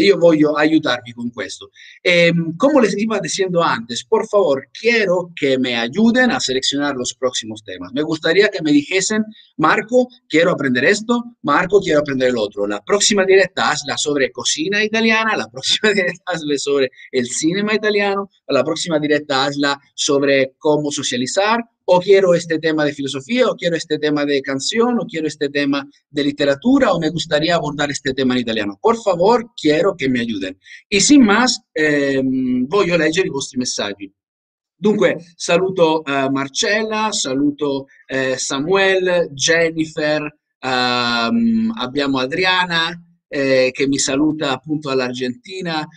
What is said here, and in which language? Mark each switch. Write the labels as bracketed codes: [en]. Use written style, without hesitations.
[it] Io voglio aiutarvi con questo. [es] Como les iba diciendo antes, por favor, quiero que me ayuden a seleccionar los próximos temas. Me gustaría que me dijesen, Marco, quiero aprender esto, Marco, quiero aprender el otro. La próxima directa hazla sobre cocina italiana, la próxima directa hazla sobre el cinema italiano, la próxima directa hazla sobre cómo socializar. O quiero este tema de filosofía, o quiero este tema de canción, o quiero este tema de literatura, o me gustaría abordar este tema en italiano. Por favor, quiero que me ayuden. Y sin más, [it] voglio leggere i vostri messaggi. Dunque, saluto Marcella, saluto Samuel, Jennifer, abbiamo Adriana che mi saluta appunto dall'Argentina.